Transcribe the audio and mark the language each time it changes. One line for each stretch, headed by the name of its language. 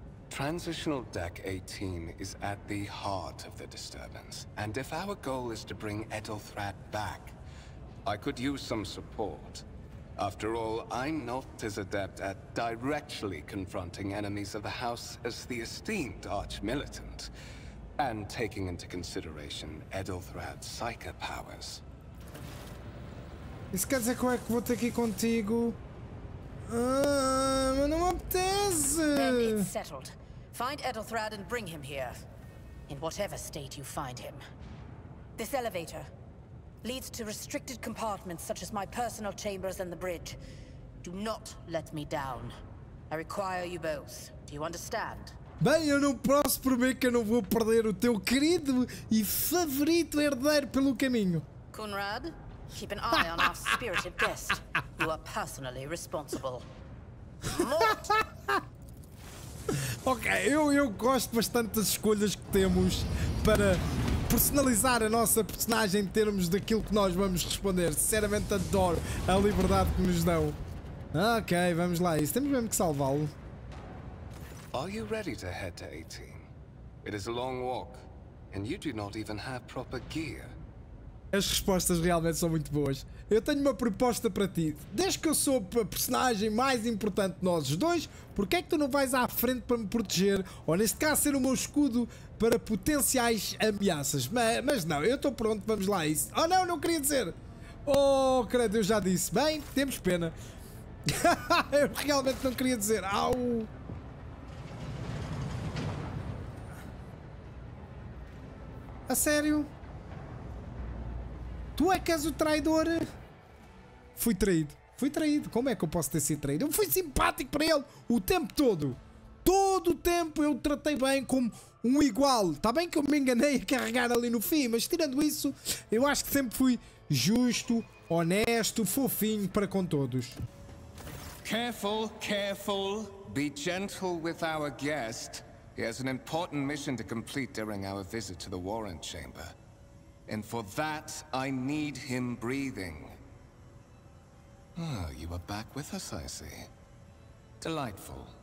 English: Transitional Deck 18 is at the heart of the disturbance, and if our goal is to bring Edelthrad back, I could use some support. After all, I'm not as adept at directly confronting enemies of the House as the esteemed Arch-Militant, and taking into consideration Edelthrad's Psyker powers.
Portuguese: Isso quer dizer que eu vou ter aqui contigo? Mas não me apetece!
English: Find Edelthrad and bring him here, in whatever state you find him. This elevator leads to restricted compartments such as my personal chambers and the bridge. Do not let me down. I require you both. Do you understand?
Portuguese: Bem, eu não posso prometer que eu não vou perder o teu querido e favorito herdeiro pelo caminho.
English: Conrad, keep an eye on our spirited guest. You are personally responsible. Mort!
Portuguese: Ok, eu gosto bastante das escolhas que temos para personalizar a nossa personagem em termos daquilo que nós vamos responder. Sinceramente adoro a liberdade que nos dão. Ok, vamos lá, isso temos mesmo que salvá-lo.
English: Are you ready to head to 18? It is a long walk, and you do not even have proper gear.
Portuguese: As respostas realmente são muito boas. Eu tenho uma proposta para ti. Desde que eu sou a personagem mais importante de nós os dois, porque é que tu não vais à frente para me proteger? Ou neste caso ser o meu escudo para potenciais ameaças? Mas não, eu estou pronto, vamos lá a isso. Oh não, não queria dizer. Oh, credo, eu já disse. Bem, temos pena. Eu realmente não queria dizer. Au! A sério? Tu é que és o traidor? Fui traído. Fui traído. Como é que eu posso ter sido traído? Eu fui simpático para ele o tempo todo. Todo o tempo eu o tratei bem como um igual. Está bem que eu me enganei a carregar ali no fim, mas tirando isso, eu acho que sempre fui justo, honesto, fofinho para com todos.
English: Careful, careful. Be gentle with our guest. He has an important mission to complete during our visit to the Warren Chamber. And for that, I need him breathing. Ah, you are back with us, I see. Delightful.